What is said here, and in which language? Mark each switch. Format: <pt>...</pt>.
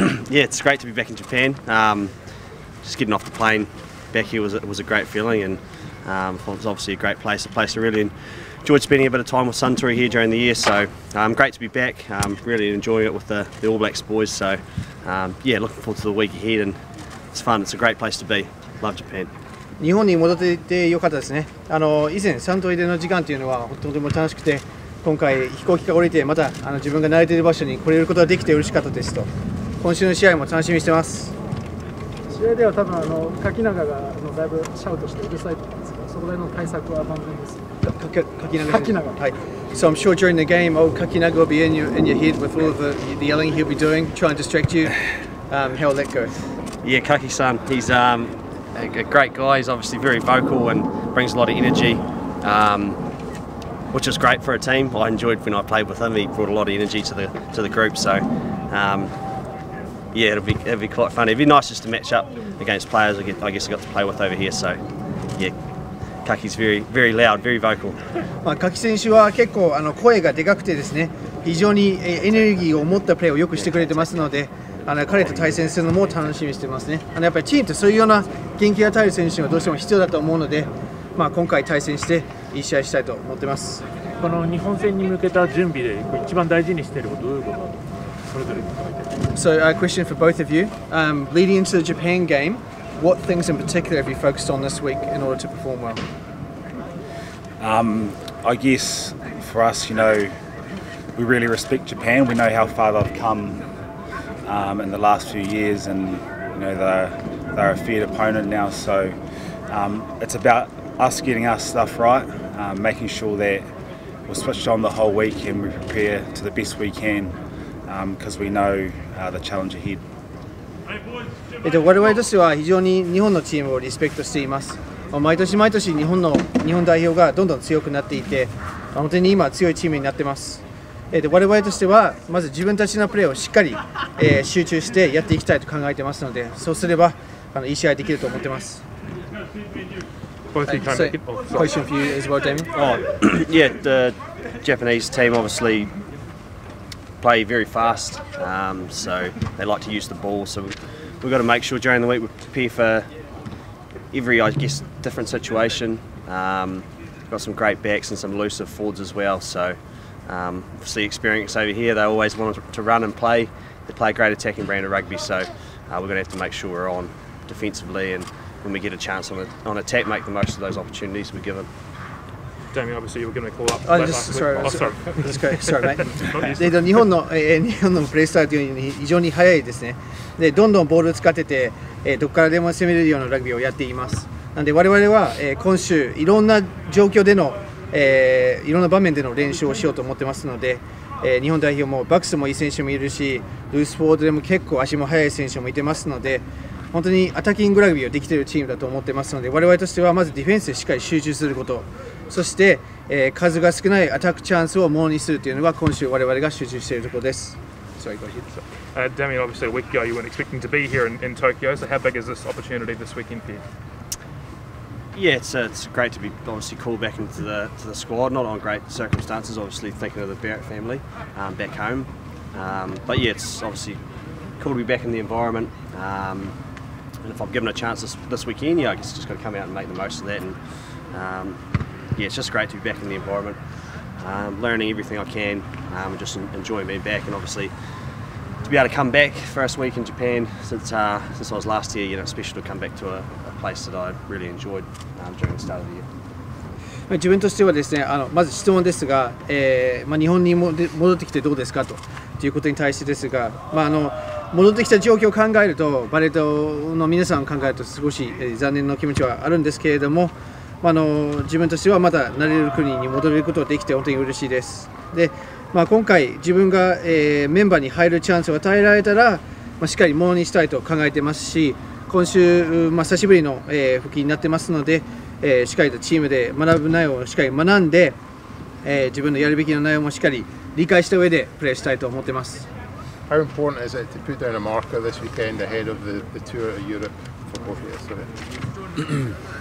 <en>Yeah, it's great to be back in Japan. Just getting off the plane back here was a great feeling, and it was obviously a great place. A place I really enjoyed spending a bit of time with Suntory here during the year, so great to be back. Really enjoying it with the All Blacks boys, so yeah, looking forward to the week ahead, and it's fun. It's a great place to be. Love Japan.</en> <ja>日本に戻ってて良かったですね。以前サントリーでの時間というのは本当にとても楽しくて、今回飛行機が降りてまた自分が慣れている場所に来れることができて嬉しかったですと。今週の試合も楽しみにしてます。試合では多分柿永がだいぶシャウトしてうるさいと思うんですけど、そこでの対策は万全です。</ja> <en>Kakinaga. So I'm sure during the game, old Kakinaga will be in your head with all of the yelling he'll be doing, trying to distract you. How will that go? Yeah, Kaki-san, he's a great guy. He's obviously very vocal and brings a lot of energy, which is great for a team. I enjoyed when I played with him. He brought a lot of energy to the group. So, yeah, it'll be quite funny. It'd be nice just to match up against players I guess I got to play with over here. So, yeah. Kaki's very, very loud, very vocal.</en> <ja>Kaki 選手は結構声がでかくてですね、非常にエネルギーを持ったプレーをよくしてくれてますので、彼と対戦するのも楽しみにしてますね。やっぱりチームとそういうような元気が足りる選手はどうしても必要だと思うので、今回対戦していい試合したいと思ってます。この日本戦に向けた準備で一番大事にしていることはどういうことそれぞれに書いて。</ja> <en>So, a question for both of you. Leading into the Japan game,What things in particular have you focused on this week in order to perform well? I guess for us, we really respect Japan. We know how far they've come in the last few years, and they're a feared opponent now. So it's about us getting our stuff right, making sure that we're switched on the whole week and we prepare to the best we can, because we know the challenge ahead.</en> <ja>我々としては非常に日本のチームをリスペクトしています。毎年毎年日本代表がどんどん強くなっていて、本当に今強いチームになっています。我々としてはまず自分たちのプレーをしっかり集中してやっていきたいと考えていますので、そうすればいい試合できると思っています。</ja> <en>Question for you as well, Damian. Yeah, the Japanese team obviously play very fast, so they like to use the ball, so we've got to make sure during the week we prepare for every, I guess, different situation. We've got some great backs and some elusive forwards as well. So, obviously experience over here, they always want to run and play. They play a great attacking brand of rugby, so we're going to have to make sure we're on defensively, and when we get a chance on attack, make the most of those opportunities we're given. Damian, obviously you were going to call up. Sorry, mate.</en> <ja>日本のプレースタイルというのに非常に早いですね。でどんどんボールを使ってて、どこからでも攻めれるようなラグビーをやっています。なので我々は、今週いろんな状況での、いろんな場面での練習をしようと思ってますので、日本代表もバックスもいい選手もいるし、ルースフォードでも結構足も速い選手もいてますので、本当にアタッキングラグビーをできているチームだと思ってますので、我々としてはまずディフェンスでしっかり集中すること、そして、数が少ないアタックチャンスをものにするというのが今週我々が集中しているところです。</ja> <en>Damian, obviously a week ago you weren't expecting to be here in Tokyo, so how big is this opportunity this weekend for you? Yeah, it's great to be obviously called back into the squad, not on great circumstances, obviously thinking of the Barrett family back home. But yeah, it's obviously cool to be back in the environment. And if I'm given a chance this weekend, yeah, I guess I've just got to come out and make the most of that. And yeah, it's just great to be back in the environment. Learning everything I can, just enjoying being back, and obviously to be able to come back first week in Japan since I was last here, it's special to come back to a place that I really enjoyed during the start of the year.</en> <ja>自分としてはですね、まず質問ですが、日本に戻ってきてどうですかということに対してですが、戻ってきた状況を考えると、バレエの皆さんを考えると少し、残念な気持ちはあるんですけれども、自分としてはまだ慣れる国に戻れることができて本当に嬉しいです。で、今回自分が、メンバーに入るチャンスを与えられたら、しっかりものにしたいと考えてますし、今週、久しぶりの、復帰になってますので、しっかりとチームで学ぶ内容をしっかり学んで、自分のやるべきの内容もしっかり理解した上でプレーしたいと思ってます。</ja> <en>How important is it to put down a marker this weekend ahead of the tour of Europe for both of you?</en>